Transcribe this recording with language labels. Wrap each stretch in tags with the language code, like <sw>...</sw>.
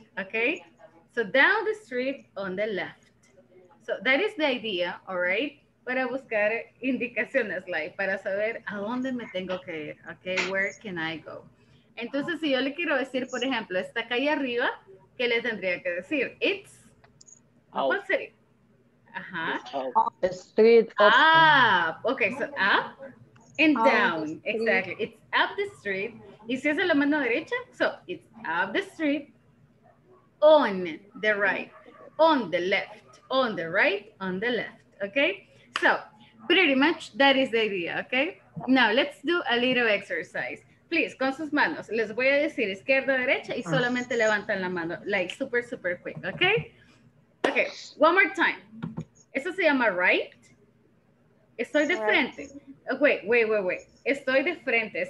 <en>Okay, so down the street on the left. So that is the idea, all right?</en> <es>Para buscar indicaciones, like, para saber a dónde me tengo que ir.</es> <en>Okay, where can I go?</en> <es>Entonces, si yo le quiero decir, por ejemplo, esta calle arriba, ¿qué le tendría que decir? It's, ¿cuál sería? Ajá.</es> <en>Street up. Ah, okay, so up and down, exactly. It's up the street.</en> <es>¿Y si es a la mano derecha?</es> <en>So it's up the street. On the right, on the left, on the right, on the left, okay? So, pretty much that is the idea, okay? Now, let's do a little exercise.</en> <es>Please, con sus manos, les voy a decir izquierda, derecha, y solamente levantan la mano,</es> <en>like super, super quick, okay? Okay, one more time.</en> <es>Eso se llama right. Estoy de frente.</es> <en>Wait, wait, wait, wait.</en> <es>Estoy de frente.</es>